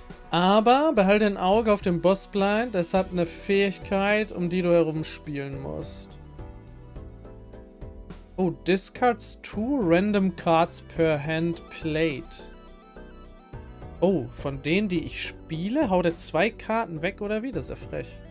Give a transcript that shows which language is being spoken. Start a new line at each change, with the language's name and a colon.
German: Aber behalte ein Auge auf dem Boss blind. Es hat eine Fähigkeit, um die du herumspielen musst.
English: Oh, discards two random cards per hand played.
German: Oh, von denen, die ich spiele, haut er zwei Karten weg oder wie? Das ist ja frech.